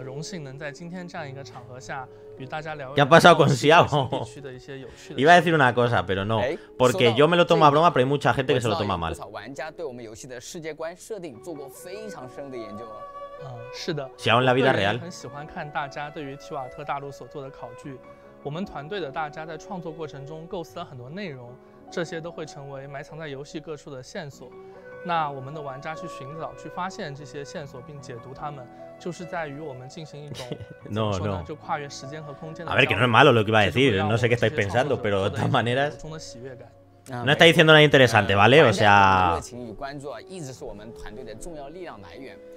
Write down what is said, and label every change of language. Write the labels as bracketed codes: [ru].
[zh] 荣幸能在今天这样一个场合下与大家聊。 [es] ¿Qué ha pasado con Xiao? Iba a decir una cosa, pero no, porque yo me lo tomo a broma, pero hay mucha gente que se lo toma mal. [zh] 玩家对我们游戏的世界观设定做过非常深的研究。是的， [es] 小王 la vida real. [zh] 很喜欢看大家对于提瓦特大陆所做的考据。我们团队的大家在创作过程中构思了很多内容，这些都会成为埋藏在游戏各处的线索。那我们的玩家去寻找、去发现这些线索并解读它们，就是在于我们进行一种 [es] no, [zh] 怎么说呢？就跨越时间和空间的。 [es] A ver, que no es malo lo que iba a decir. No sé qué estáis pensando, pero de todas maneras. No está diciendo nada interesante, ¿vale? O sea. [zh] 热情与关注一直是我们团队的重要力量来源。